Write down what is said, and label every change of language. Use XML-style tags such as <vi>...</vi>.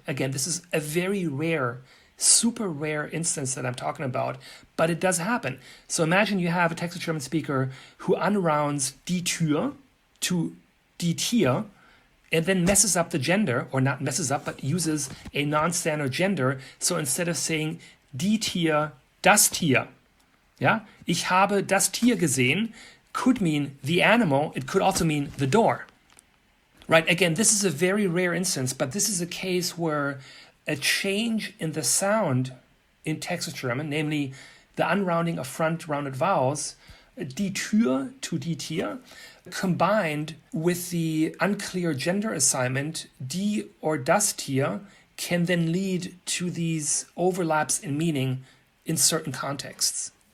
<en>Again, this is a very rare, super rare instance that I'm talking about, but it does happen. So imagine you have a Texas German speaker who unrounds die Tür to die Tier and then messes up the gender, or not messes up, but uses a non-standard gender. So instead of saying die Tier, das Tier. Yeah?</en> <de>Ich habe das Tier gesehen</de> <en>could mean the animal. It could also mean the door. Right? Again, this is a very rare instance, but this is a case where a change in the sound in Texas German, namely the unrounding of front rounded vowels, die Tür to die Tier, combined with the unclear gender assignment, die or das Tier, can then lead to these overlaps in meaning in certain contexts.</en>